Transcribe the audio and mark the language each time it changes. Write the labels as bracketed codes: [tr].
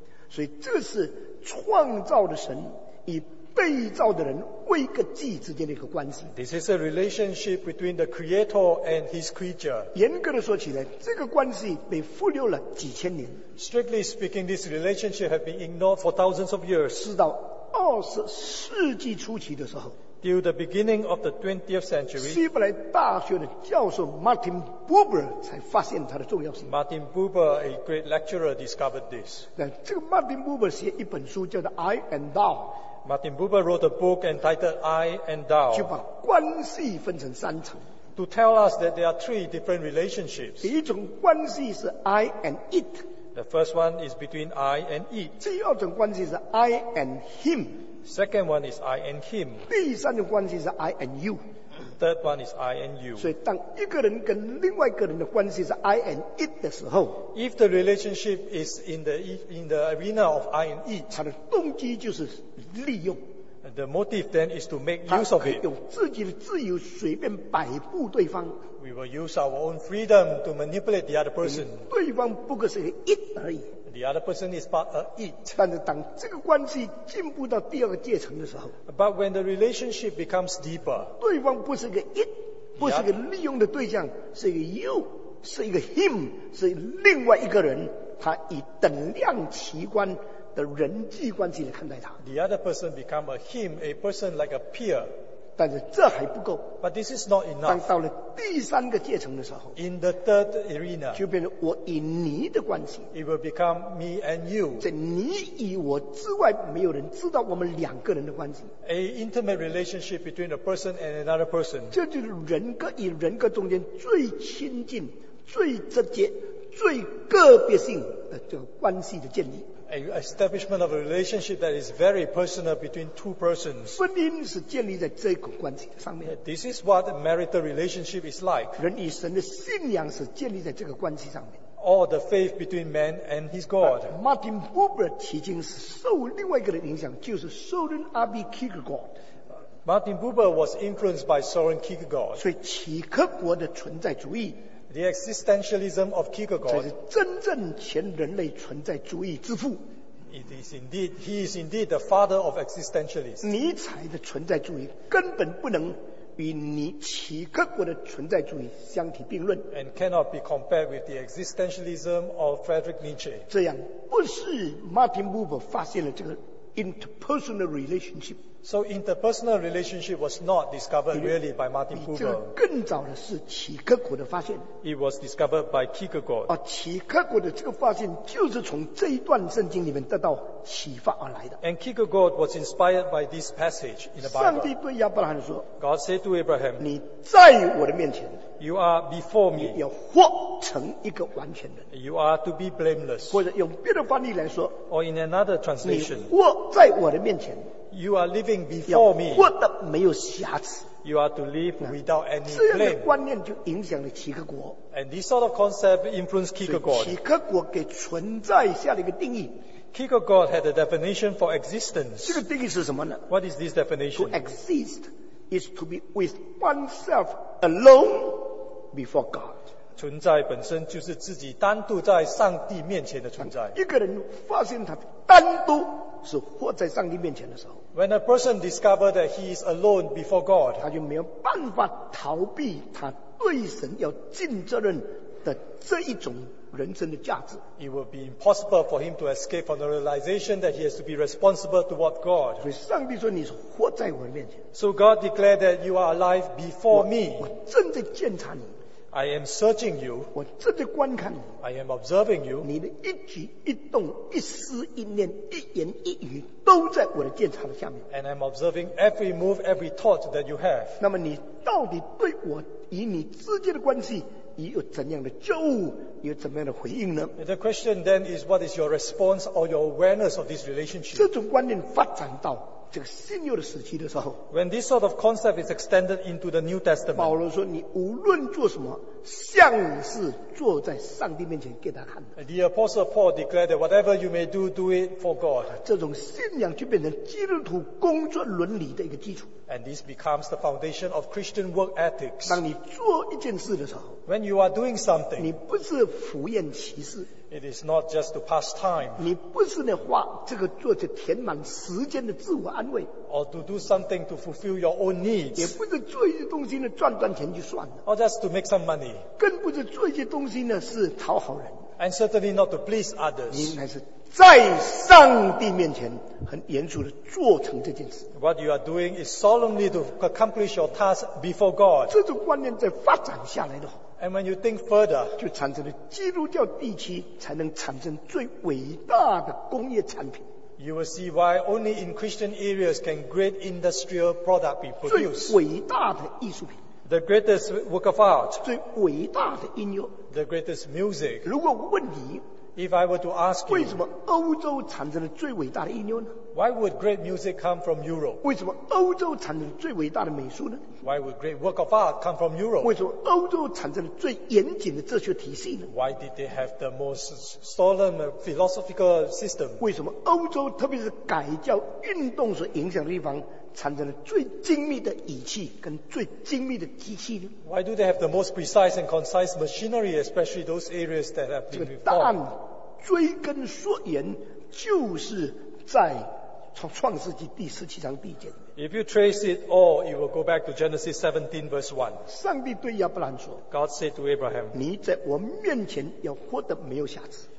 [zh] 所以这是创造的神与被造的人为个祭之间的一个关系。 [en] This is a relationship between the Creator and His creature. [zh] 严格的说起来，这个关系被忽略了几千年。 [en] Strictly speaking, this relationship has been ignored for thousands of years. [zh] 直到二十世纪初期的时候 [en] ，till the beginning of the 20th century， [zh] 希伯来大学的教授 Martin Buber 才发现它的重要性。 [en] Martin Buber, a great lecturer, discovered this. [zh] 那这个 Martin Buber 写一本书叫做《I and Thou》。 [en] Martin Buber wrote a book entitled "I and Thou"， [zh] 就把关系分成三层 [en] ，to tell us that there are three different relationships。 [zh] 第一种关系是 I and it。 [en] The first one is between I and it. [zh] 第二种关系是 I and him. [en] Second one is I and him. [zh] 第三种关系是 I and you. [en] Third one is I and you. [zh] 所以当一个人跟另外一个人的关系是 I and it 的时候 [en] ，If the relationship is in the arena of I and it， [zh] 他的动机就是利用。 [en] The motive then is to make use of it. [zh] 用自己的自由随便摆布对方。 [en] We will use our own freedom to manipulate the other person. [zh] 对方不过是个 it 而已。 [en] The other person is but a it. [zh] 但是当这个关系进步到第二个阶层的时候 [en] ，But when the relationship becomes deeper, [zh] 对方不是个 it， 不是个利用的对象，是一个 you， 是一个 him， 是另外一个人，他以等量齐观的人际关系来看待他。 [en] The other person become a him, a person like a peer. [zh] 但是这还不够。 [en] But this is not enough. [zh] 当到了第三个阶层的时候 [en] ，In the third arena， [zh] 就变成我与你的关系。 [en] It will become me and you. [zh] 在你与我之外，没有人知道我们两个人的关系。 [en] A intimate relationship between a person and another person. [zh] 这就是人格与人格中间最亲近、最直接、最个别性的这个关系的建立。 [en] An establishment of a relationship that is very personal between two persons. [zh] 婚姻是建立在这个关系上面。 [en] This is what a marital relationship is like. [zh] 人与神的信仰是建立在这个关系上面。 [en] all the faith between man and his God. [zh] Martin Buber's teaching 受另外一个的影响，就是 Søren R.B. [en] Kierkegaard. Martin Buber was influenced by Søren Kierkegaard. [zh] 所以齐克国的存在主义 [en] ，the existentialism of Kierkegaard， [zh] 这是真正前人类存在主义之父。 [en] He is indeed the father of existentialists. [zh] 尼采的存在主义根本不能与你齐克国的存在主义相提并论。 [en] And cannot be compared with the existentialism of Friedrich Nietzsche. [zh] 这样不是 Martin Buber 发现了这个 interpersonal relationship. [en] So interpersonal relationship was not discovered really by Martin Buber. [zh] 这个更早的是齐克国的发现。 [en] It was discovered by Kierkegaard. [zh] 而齐克国的这个发现就是从这一段圣经里面得到启发而来的。 [en] And Kierkegaard was inspired by this passage in the Bible. [zh] 上帝对亚伯拉罕说 [en] ，God said to Abraham, [zh] 你在我的面前 [en] ，You are before me. [zh] 你要活成一个完全人。 [en] You are to be blameless. [zh] 或者用别的翻译来说 [en] ，Or in another translation, [zh] 你活在我的面前。 [en] You are living before me. [zh] 活得没有瑕疵。 [en] You are to live without any blame. [zh] 这样的观念就影响了齐克国。 [en] And this sort of concept influenced Kierkegaard. [zh] 齐克国给存在下了一个定义。 [en] Kierkegaard had a definition for existence. [zh] 这个定义是什么呢？ [en] What is this definition? To exist is to be with oneself alone before God. [zh] 存在本身就是自己单独在上帝面前的存在。一个人发现他单独是活在上帝面前的时候， [en] When a person discovers that he is alone before God, [zh] 他就没有办法逃避他对神要尽责任的这一种人生的价值。 [en] It will be impossible for him to escape from the realization that he has to be responsible toward God. [zh] 所以上帝说你是活在我面前。 [en] So God declared that you are alive before me. [zh] 我正在检查你。 [en] I am searching you. [zh] 我正在观看你。 [en] I am observing you. [zh] 你的一举一动、一思一念、一言一语都在我的检查的下面。 [en] And I'm observing every move, every thought that you have. [zh] 那么你到底对我与你之间的关系？你有怎样的觉悟，你有怎么样的回应呢？ [en] The question then is, what is your response or your awareness of this relationship? [zh] 这种观念发展到这个新约的时期的时候， [en] When this sort of concept is extended into the New Testament, [zh] 保罗说你无论做什么，像是坐在上帝面前给他看的。 [en] The Apostle Paul declared that whatever you may do, do it for God. [zh] 这种信仰就变成基督徒工作伦理的一个基础。 [en] And this becomes the foundation of Christian work ethics. [zh] 当你做一件事的时候， [en] When you are doing something, [zh] 你不是敷衍其事， [en] It is not just to pass time. [zh] 你不是那话这个做着填满时间的自我安慰， [en] Or to do something to fulfill your own needs. [zh] 也不是做一些东西呢赚赚钱就算了， [en] Or just to make some money. [zh] 更不是做一些东西呢是讨好人， [en] And certainly not to please others. [zh] 你还是在上帝面前很严肃地做成这件事。 [en] What you are doing is solemnly to accomplish your task before God. [zh] 这种观念在发展下来的话， [en] And when you think further, [zh] 就产生了基督教地区才能产生最伟大的工业产品。 [en] You will see why only in Christian areas can great industrial product be produced. [zh] 最伟大的艺术品。 [en] The greatest work of art. [zh] 最伟大的音乐。 [en] The greatest music. [zh] 如果我问你， [en] If I were to ask you, [zh] 为什么欧洲产生了最伟大的音乐呢？ [en] Why would great music come from Europe? [zh] 为什么欧洲产生了最伟大的美术呢？ [en] Why would great work of art come from Europe? [zh] 为什么欧洲产生了最严谨的哲学体系呢？ [en] Why did they have the most solemn philosophical system? [zh] 为什么欧洲特别是改教运动所影响的地方产生了最精密的仪器跟最精密的机器呢？ [en] Why do they have the most precise and concise machinery, especially those areas that have been [zh] 这个答案追根溯源就是在创世纪第十七章第一节。 [en] If you trace it all, you will go back to Genesis 17 verse 1. [zh] 上帝对亚伯兰说， [en] God said to Abraham, [zh] 你在我面前要活得没有瑕疵。